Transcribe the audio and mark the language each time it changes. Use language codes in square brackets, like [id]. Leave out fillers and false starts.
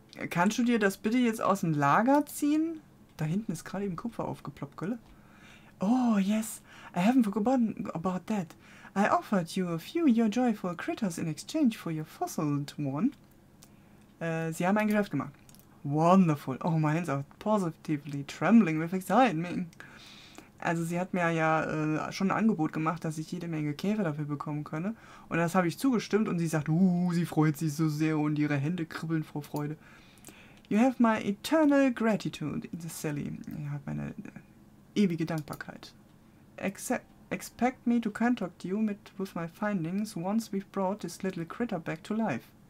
[de] Kannst du dir das bitte jetzt aus dem Lager ziehen? Da hinten ist gerade eben Kupfer aufgeploppt, gell? [en] Oh, yes. I haven't forgotten about that. I offered you a few your joyful critters in exchange for your fossiled one. [de] Sie haben ein Geschäft gemacht. [en] Wonderful. Oh, my hands are positively trembling with excitement. [de] Also, sie hat mir ja schon ein Angebot gemacht, dass ich jede Menge Käfer dafür bekommen könne. Und das habe ich zugestimmt und sie sagt, sie freut sich so sehr und ihre Hände kribbeln vor Freude. [en] You have my eternal gratitude, Sally. [de] Ihr habt meine ewige Dankbarkeit. [en] Expect me to contact you with my findings once we've brought this little critter back to life.